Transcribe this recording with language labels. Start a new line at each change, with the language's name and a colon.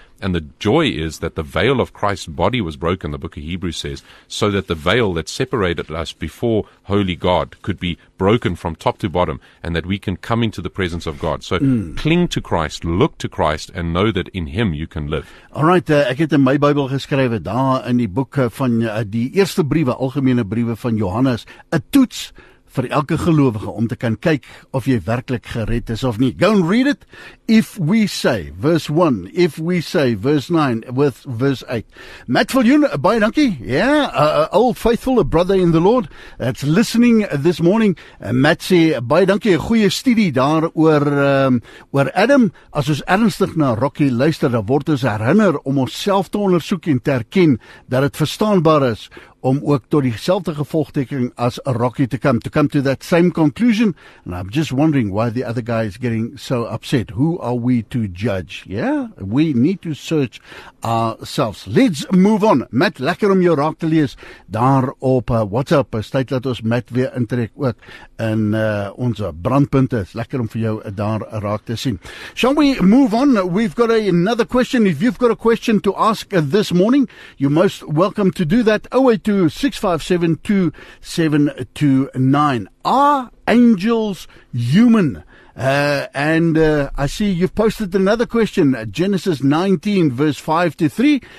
English: And the joy is that the veil of Christ's body was broken, the book of Hebrews says, so that the veil that separated us before holy God could be broken from top to bottom and that we can come into the presence of God. So cling to Christ, look to Christ, and know that in him you can live.
Afrikaans: All right, ek het in my Bybel geskrywe, daar in die boek van die eerste briewe, algemene briewe van Johannes, 'n toets vir elke gelowige om te kan kyk of jy werklik gered is of nie.
English: Go and read it. If we say, verse 1, if we say, verse 9, with verse 8.
Afrikaans: Matt Fuljoen, baie dankie.
English: Yeah, old faithful, a brother in the Lord, that's listening this morning.
Afrikaans: Matt sê, baie dankie, a goeie studie daar oor Adam. As ons ernstig na Rocky luister, dan word ons herinner om ons self te ondersoek en te herken dat het verstaanbaar is om ook tot dieselfde gevolgtrekking as Rocky
English: to come to that same conclusion. And I'm just wondering why the other guy is getting so upset. Who are we to judge? Yeah, we need to search ourselves. Let's move on.
Afrikaans: Matt, lekker om jou raak te lees daar op WhatsApp. Is tyd dat ons Matt weer intrek ook in ons brandpunt is. Lekker om vir jou daar raak te sien.
English: Shall we move on? We've got another question. If you've got a question to ask this morning, you're most welcome to do that. 082-657-2729. Are angels human? I see you've posted another question, Genesis 19, verse 5 to 3.